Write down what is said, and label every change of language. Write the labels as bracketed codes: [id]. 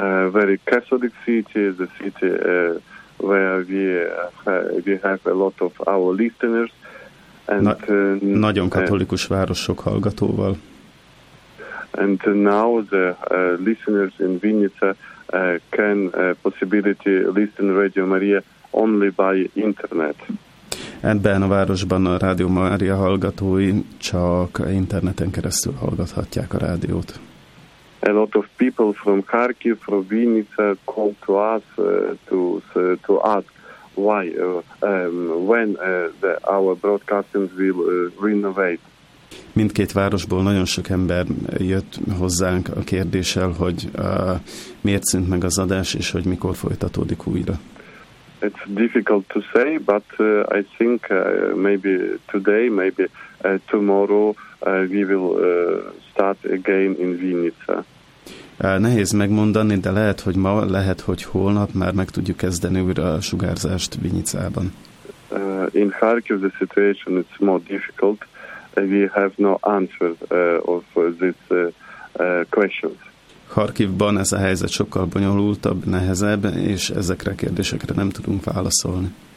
[en] Very Catholic city, the city where we have a lot of our listeners. [hu] And, nagyon katolikus városok hallgatóval. [en] And now the listeners in Vinnytsia can possibility listen Radio Maria only by internet. [hu] Ebben a városban a Rádió Mária hallgatói csak interneten keresztül hallgathatják a rádiót. [en] A lot of people from Kharkiv, from Vinnytsia called to us to ask why when our broadcastings will renovate. [hu] Mindkét városból nagyon sok ember jött hozzánk a kérdéssel, hogy miért szűnt meg az adás, és hogy mikor folytatódik újra. [en] It's difficult to say, but I think maybe today, maybe tomorrow we will start again in Vinnytsia. [hu] Nehéz megmondani, de lehet, hogy ma, lehet, hogy holnap már meg tudjuk kezdeni újra a sugárzást Vinnytsiában. [en] In Kharkiv the situation is more difficult. We have no answer of this questions. [hu] Kharkivban ez a helyzet sokkal bonyolultabb, nehezebb, és ezekre a kérdésekre nem tudunk válaszolni.